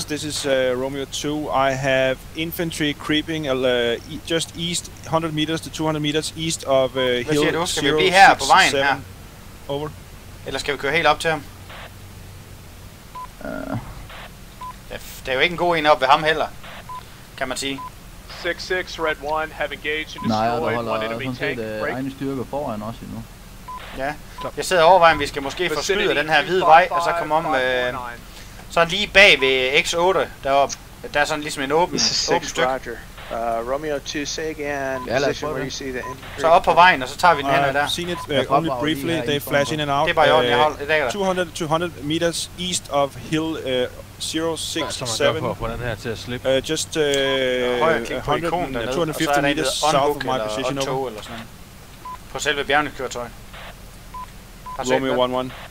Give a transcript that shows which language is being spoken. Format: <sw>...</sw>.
<en>6, this is Romeo 2. I have infantry creeping just east, 100 meters to 200 meters east of hill 067.</en> <da>Hvad siger du? Skal vi blive her på vejen her?</da> <en>Over.</en> <da>Eller skal vi køre helt op til ham? Det er jo ikke en god en op ved ham heller, kan man sige.</da> <en>6-6, red 1, have engaged and destroyed one enemy tank.</en> <da>Nej, der holder sådan set egne styrker foran også endnu. Ja, jeg sidder og overvejer, om vi skal måske få skyde den her hvide vej, og så komme om, så lige bag ved X8 deroppe. Der er sådan ligesom en åben stykke.</da> <en>Romeo 2, say again, position where you see the infantry.</en> <da>Så op på vejen, og så tager vi den her der.</da> <en>Seen it only briefly, they flash in and out.</en> <da>Det er bare i orden, jeg holder.</da> <en>200 meters east of hill 067.</en> <da>Hvad skal man gøre på den her til at slippe?</da> <en>Just 250 meters south of my position.</en> <da>Eller sådan. På selve bjergene køretøj.</da> <en>Romeo 1-1.</en>